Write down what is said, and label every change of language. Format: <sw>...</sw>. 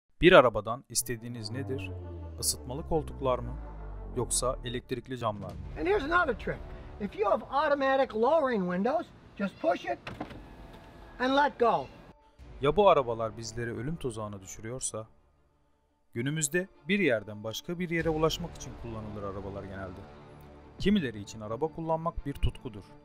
<tr>Bir arabadan istediğiniz nedir? Isıtmalı koltuklar mı? Yoksa elektrikli camlar mı?</tr> <en>And here's another trick. If you have automatic lowering windows, just push it and let go.</en> <tr>Ya bu arabalar bizleri ölüm tuzağına düşürüyorsa? Günümüzde bir yerden başka bir yere ulaşmak için kullanılır arabalar genelde. Kimileri için araba kullanmak bir tutkudur.</tr>